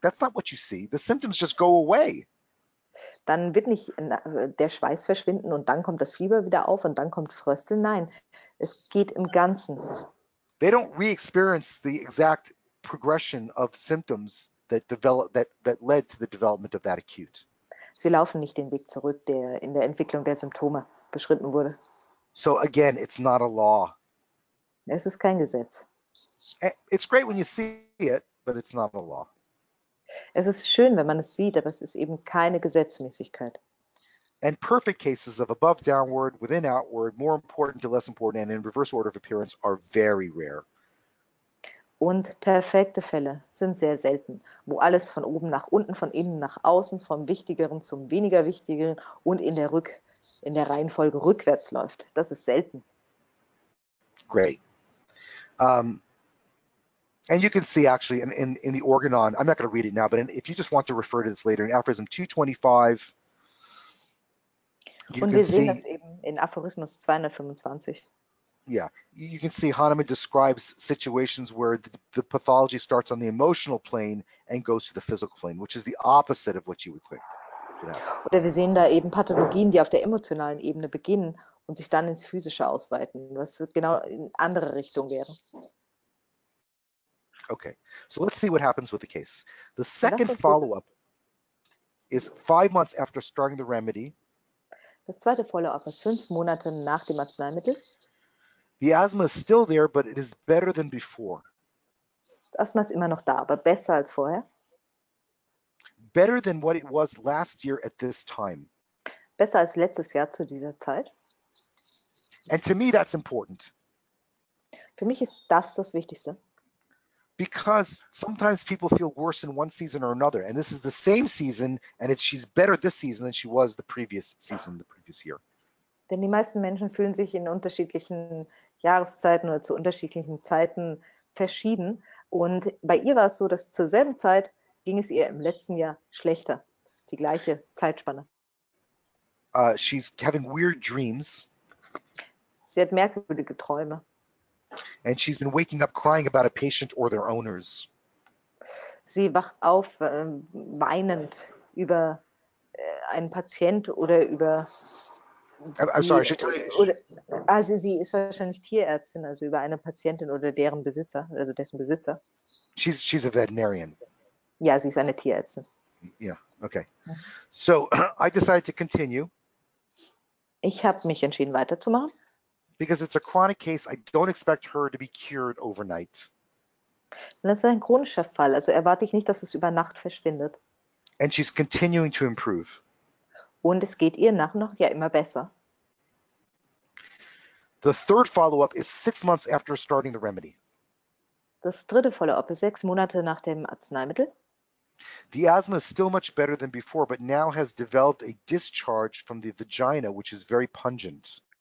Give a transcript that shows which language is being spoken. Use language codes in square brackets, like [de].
[en] That's not what you see. The symptoms just go away. [de] Dann wird nicht der Schweiß verschwinden und dann kommt das Fieber wieder auf und dann kommt Frösteln. Nein, es geht im Ganzen. [en] They don't re-experience the exact progression of symptoms that led to the development of that acute. [de] Sie laufen nicht den Weg zurück, der in der Entwicklung der Symptome beschritten wurde. [en] So again, it's not a law. [de] Es ist kein Gesetz. [en] It's great when you see it, but it's not a law. [de] Es ist schön, wenn man es sieht, aber es ist eben keine Gesetzmäßigkeit. [en] And perfect cases of above downward, within outward, more important to less important, and in reverse order of appearance are very rare. [de] Und perfekte Fälle sind sehr selten, wo alles von oben nach unten, von innen nach außen, vom Wichtigeren zum weniger Wichtigeren und in der Reihenfolge rückwärts läuft. Das ist selten. [en] Great. And you can see actually in the Organon, I'm not going to read it now, but if you just want to refer to this later, in Aphorism 225, you can see. [de] Und wir sehen das eben in Aphorismus 225. [en] Yeah, you can see Hahnemann describes situations where the pathology starts on the emotional plane and goes to the physical plane, which is the opposite of what you would think. Yeah. [de] Oder wir sehen da eben Pathologien, die auf der emotionalen Ebene beginnen und sich dann ins Physische ausweiten, was genau in andere Richtung wäre. [en] Okay, so let's see what happens with the case. The second follow-up is 5 months after starting the remedy. [de] Das zweite Follow-up ist 5 Monate nach dem Arzneimittel. [en] The asthma is still there, but it is better than before. [de] Das Asthma ist immer noch da, aber besser als vorher. [en] Better than what it was last year at this time. [de] Besser als letztes Jahr zu dieser Zeit. [en] And to me, that's important. [de] Für mich ist das das Wichtigste. [en] Because sometimes people feel worse in one season or another, and this is the same season, and she's better this season than she was the previous season, the previous year. [de] Denn die meisten Menschen fühlen sich in unterschiedlichen Jahreszeiten oder zu unterschiedlichen Zeiten verschieden. Und bei ihr war es so, dass zur selben Zeit ging es ihr im letzten Jahr schlechter. Das ist die gleiche Zeitspanne. [en] She's having weird dreams. [de] Sie hat merkwürdige Träume. [en] And she's been waking up crying about a patient or their owners. [de] Sie wacht auf weinend über einen Patient oder über... sie ist wahrscheinlich Tierärztin, also über eine Patientin oder deren Besitzer, also dessen Besitzer. [en] She's a veterinarian. [de] Ja, sie ist eine Tierärztin. [en] Yeah, okay. So, I decided to continue. [de] Ich habe mich entschieden, weiterzumachen. [en] Because it's a chronic case, I don't expect her to be cured overnight. [de] Das ist ein chronischer Fall, also erwarte ich nicht, dass es über Nacht verschwindet. [en] And she's continuing to improve. [de] Und es geht ihr nach noch ja immer besser. [en] The third follow-up is 6 months after starting the remedy. [de] Das dritte Follow-up ist 6 Monate nach dem Arzneimittel. [en] The asthma is still much better than before, but now has developed a discharge from the vagina, which is very pungent.